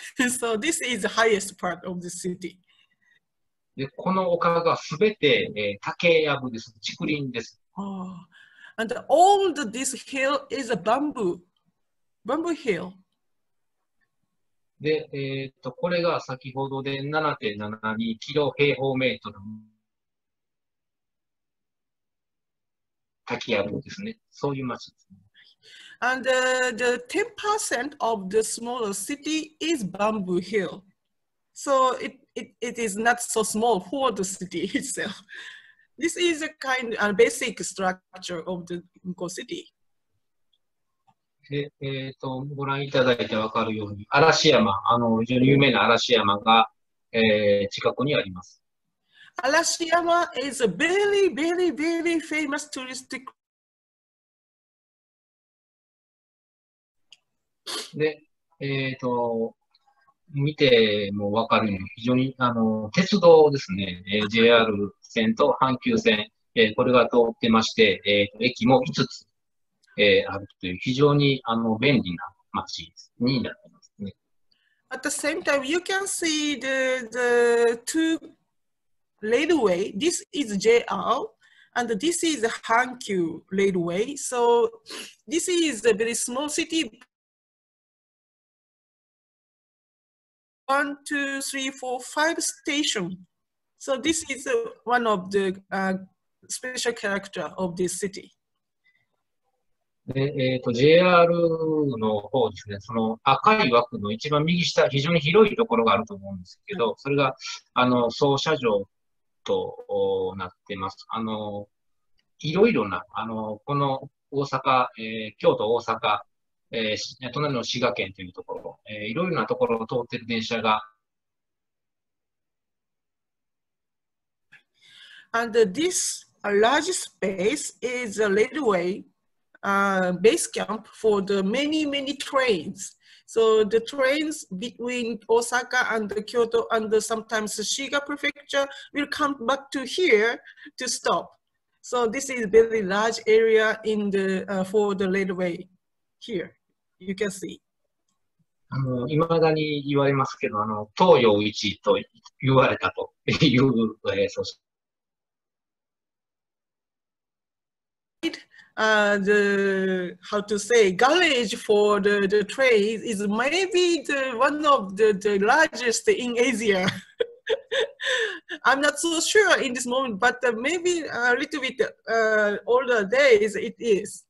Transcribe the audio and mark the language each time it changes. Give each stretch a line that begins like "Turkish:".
English: So this is the highest part of the city.
Japanese: で、この丘がすべて、竹やぶです。竹林です。 Oh.
English: And all the, this hill is a bamboo. Bamboo hill.
Japanese: で、これが先ほどで 7.72 キロ平方メートル。滝やぶですね。そういう町ですね。
English: And the 10% of the smaller city is Bamboo Hill. So it is not so small for the city itself. This is a kind of a basic structure of the Muko city.
Japanese: で、ご覧いただいてわかるように、嵐山、非常に有名な嵐山が、近くにあります。
English: 嵐山 is a very, very, very famous touristic.
Japanese: で、見てもわかるように、非常に、鉄道ですね、JR 線と阪急線、これが通ってまして、駅も5つ。あるという非常に便利な街になっていますね。
English: At the same time, you can see the two railway. This is JR, And this is the Hankyu Railway. So this is a very small city. 1, 2, 3, 4, 5 station. So this is one of the special character of this city.
Japanese: で、JR の方ですね、その赤い枠の一番右下、非常に広いところがあると思うんですけど、それが、操車場となってます。いろいろな、この大阪、京都大阪、隣の滋賀県というところ、いろいろなところを通っている電車が、
English: And this large space is a railway base camp for the many, many trains. So the trains between Osaka and Kyoto and sometimes Shiga Prefecture will come back to here to stop. So this is very large area in the, for the railway here, you can see.
Japanese: 未だに言われますけど、東洋一と言われたという、そして、
English: The how to say garage for the train is maybe the one of the largest in Asia. I'm not so sure in this moment, but maybe a little bit older days it is.